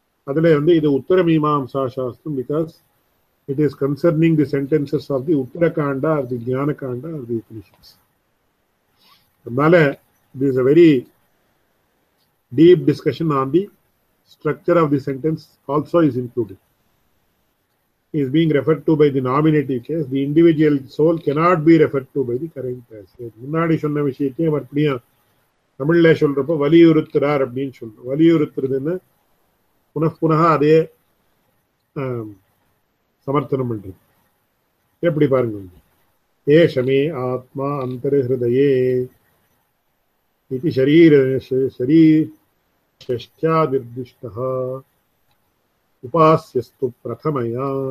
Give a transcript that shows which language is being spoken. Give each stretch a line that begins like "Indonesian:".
Tamil: அதுல வந்து இது உத்தர மீமாம்சா சாஸ்திரம்,
English: Because it is concerning the sentences of the Uttara Kanda or the Jnana Kanda or the Upanishads. அதனால it is a very deep discussion on the structure of the sentence also is included. Is being referred to by the nominative case. The individual soul cannot be referred to by the current case.
Tamil: முன்னாடி சொன்ன விஷயத்தை மறுபடியும் தமிழ்ல சொல்றப்ப வலியுறுத்துறார் அப்படின்னு சொல்றோம். வலியுறுத்துறதுன்னு புன புனக அதே சமர்த்தனம் பண்றது. எப்படி பாருங்க,
Sanskrit: ஏஷமே ஆத்மா அந்தர்ஹிருதயே இது ஷரீர ஷரீர ஷஷ்ட்யாதிர்திஷ்டா உபாசியஸ்து பிரதமயா.